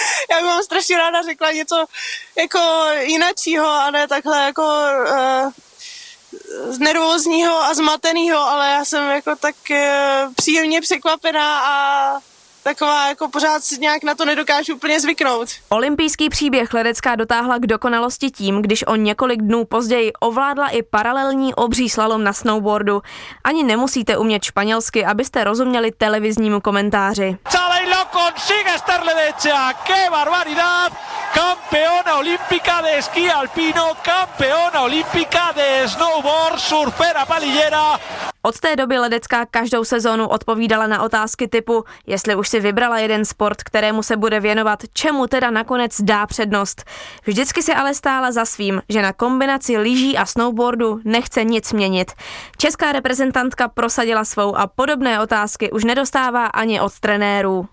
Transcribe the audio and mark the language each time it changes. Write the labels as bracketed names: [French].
[Czech] Já bych vám strašně ráda řekla něco jako jinačího a ne takhle jako z nervózního a zmateného, ale já jsem jako tak příjemně překvapená a taková jako pořád si nějak na to nedokážu úplně zvyknout. Olympijský příběh Ledecká dotáhla k dokonalosti tím, když o několik dnů později ovládla i paralelní obří slalom na snowboardu. Ani nemusíte umět španělsky, abyste rozuměli televiznímu komentáři. [Spanish] Consigue Ester Ledecká, qué barbaridad, campeona olímpica de esquí alpino, campeona olímpica de snowboard, surfera palillera. [Czech] Od té doby Ledecká každou sezónu odpovídala na otázky typu, jestli už si vybrala jeden sport, kterému se bude věnovat, čemu teda nakonec dá přednost. Vždycky se ale stála za svým, že na kombinaci lyží a snowboardu nechce nic měnit. Česká reprezentantka prosadila svou a podobné otázky už nedostává ani od trenérů.